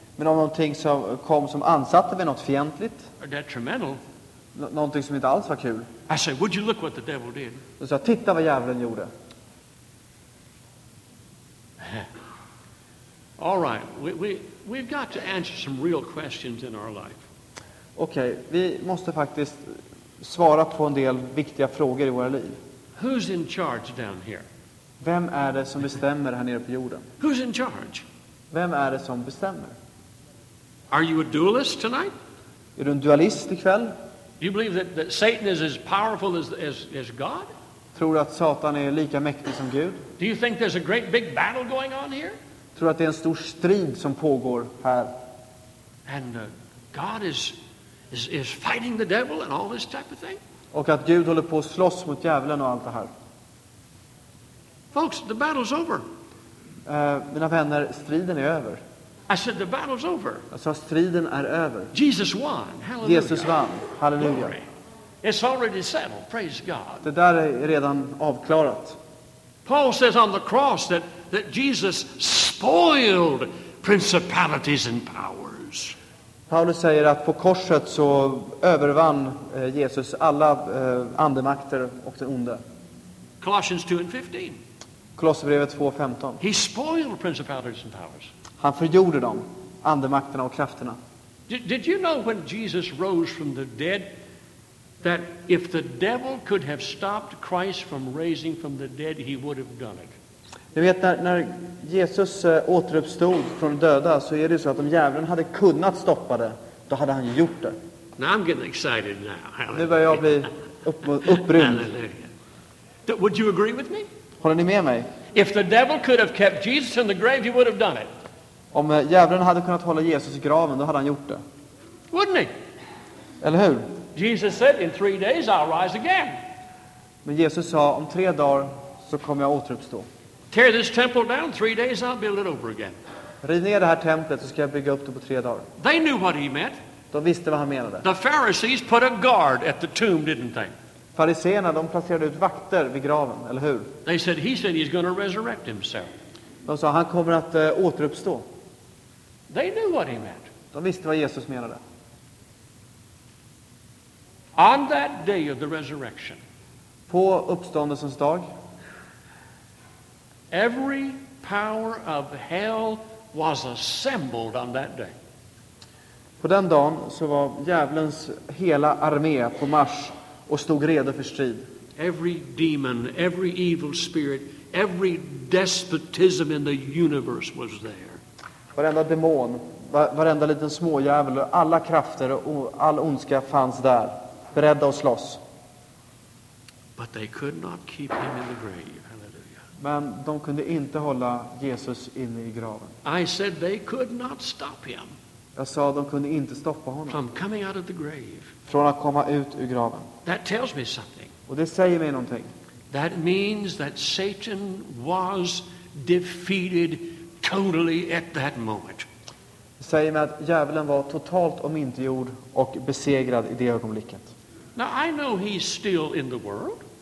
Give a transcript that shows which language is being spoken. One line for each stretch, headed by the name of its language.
Swedish: Men om någonting som kom som ansatte mig något fientligt.
English: Or detrimental.
Swedish: Någonting som inte alls var kul.
English: I said, would you look what the devil did?
Swedish: Jag sa, titta vad djävulen gjorde.
English: All right, we've got to answer some real questions in our life.
Swedish: Okej, vi måste faktiskt svara på en del viktiga frågor i våra liv.
English: Who's in charge down here?
Swedish: Vem är det som bestämmer här nere på jorden?
English: Who's in charge?
Swedish: Vem är det som bestämmer?
English: Are you a dualist tonight?
Swedish: Är du en dualist ikväll?
English: Do you believe that Satan is as powerful as God?
Swedish: Tror du att Satan är lika mäktig som Gud?
English: Do you think there's a great big battle going on here?
Swedish: Tror du att det är en stor strid som pågår här?
English: And God is fighting the devil and all this type of thing?
Swedish: Och att Gud håller på att slåss mot djävulen och allt det här.
English: Folks, the battle's over.
Swedish: Mina vänner, striden är över.
English: I said the battle's over.
Swedish: Jag sa striden är över.
English: Jesus won. Hallelujah.
Swedish: Jesus vann. Halleluja.
English: It's already settled. Praise God.
Swedish: Det där är redan avklarat.
English: Paul says on the cross that Jesus spoiled principalities and powers.
Swedish: Paulus säger att på korset så övervann Jesus alla andemakter och den onde.
English: Colossians 2 and 15.
Swedish: Kolosserbrevet 2:15.
English: He spoiled principalities and powers.
Swedish: Han förgjorde dem, andemakterna och krafterna.
English: Did you know when Jesus rose from the dead that if the devil could have stopped Christ from raising from the dead he would have done it.
Swedish: Ni vet när Jesus återuppstod från döda så är det så att om djävulen hade kunnat stoppa det då hade han gjort det.
English: Now I'm getting excited now.
Swedish: Nu börjar jag bli upprymd.
English: Halleluja. Would you agree with me?
Swedish: Håller ni med mig?
English: If the devil could have kept Jesus in the grave he would have done it.
Swedish: Om djävulen hade kunnat hålla Jesus i graven då hade han gjort det.
English: Wouldn't he?
Swedish: Eller hur?
English: Jesus said in 3 days I'll rise again.
Swedish: Men Jesus sa om 3 dagar så kommer jag återuppstå.
English: Tear this temple down, 3 days I'll build it over again.
Swedish: Riv ner det här templet så ska jag bygga upp det på 3 dagar.
English: They knew what he meant.
Swedish: De visste vad han menade.
English: The Pharisees put a guard at the tomb, didn't they?
Swedish: Fariseerna de placerade ut vakter vid graven, eller hur?
English: They said he said he's going to resurrect himself.
Swedish: De sa han kommer att återuppstå.
English: They knew what he meant.
Swedish: De visste vad Jesus menade.
English: On that day of the resurrection.
Swedish: På uppståndelsens dag.
English: Every power of hell was assembled on that day.
Swedish: På den dagen så var djävulens hela armé på marsch och stod redo för strid. Every demon, every evil spirit, every despotism in the universe was there. Varenda demon, varenda liten smådjävul, alla krafter och all ondska fanns där. Beredda att slåss.
English: But they could not keep him in the grave. Hallelujah.
Swedish: Men de kunde inte hålla Jesus inne i graven.
English: I said they could not stop him.
Swedish: Jag sa de kunde inte stoppa honom.
English: From coming out of the grave.
Swedish: Från att komma ut ur graven.
English: That tells me something.
Swedish: Och det säger mig någonting.
English: That means that Satan was defeated totally at that moment.
Swedish: Det säger mig att djävulen var totalt omintetgjord och besegrad i det ögonblicket.
English: Now I know he's still in the world.